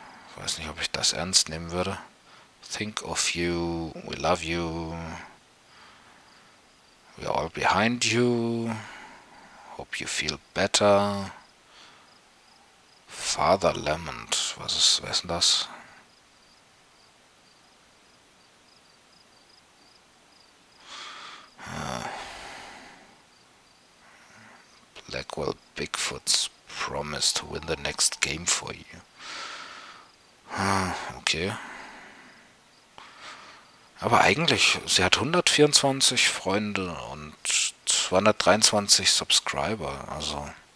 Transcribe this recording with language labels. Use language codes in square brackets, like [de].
[de] Ich weiß nicht, ob ich das ernst nehmen würde. [en] Think of you, we love you, we are all behind you, hope you feel better, Father Lament, [de] was ist das? [en] Blackwell Bigfoot's promise to win the next game for you. Okay. [de] Aber eigentlich, sie hat 124 Freunde und 223 Subscriber, also.